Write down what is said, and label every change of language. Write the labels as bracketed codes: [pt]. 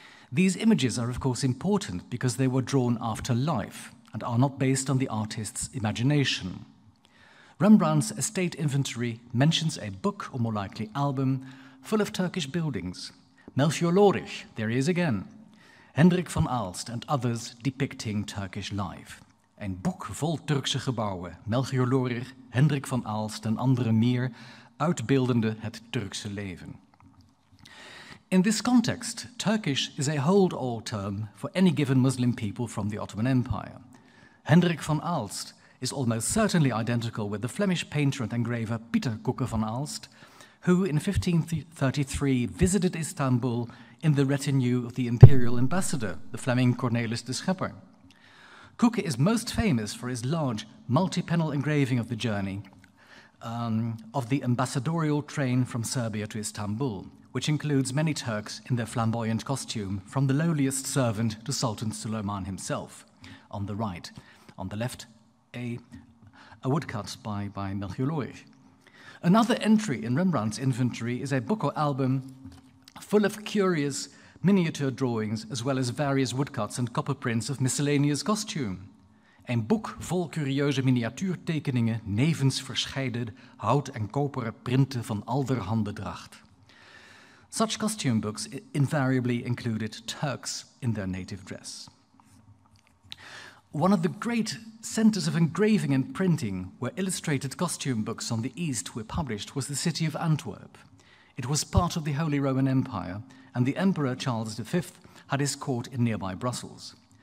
[en] These images are, of course, important because they were drawn after life and are not based on the artist's imagination. Rembrandt's estate inventory mentions a book, or more likely album, full of Turkish buildings. Melchior Lorich, there he is again. Hendrik van Aalst and others depicting Turkish life. [nl] Een boek vol Turkse gebouwen, Melchior Lorer, Hendrik van Aalst en anderen meer, uitbeeldende het Turkse leven. [en] In this context, Turkish is a hold-all term for any given Muslim people from the Ottoman Empire. Hendrik van Aalst is almost certainly identical with the Flemish painter and engraver Pieter Koeke van Aalst, who in 1533 visited Istanbul in the retinue of the imperial ambassador, the Fleming Cornelis de Schepper. Koeke is most famous for his large multi-panel engraving of the journey of the ambassadorial train from Serbia to Istanbul, which includes many Turks in their flamboyant costume, from the lowliest servant to Sultan Suleiman himself, on the right. On the left, a woodcut by Melchior Lorer. Another entry in Rembrandt's inventory is a book or album full of curious miniature drawings, as well as various woodcuts and copper prints of miscellaneous costume. [nl] Een boek vol curieuze miniatuurtekeningen, nevens verscheiden hout- en koperen printen van allerhande dracht. [en] Such costume books invariably included Turks in their native dress. One of the great centers of engraving and printing where illustrated costume books on the East were published was the city of Antwerp. It was part of the Holy Roman Empire, and the Emperor Charles V had his court in nearby Brussels.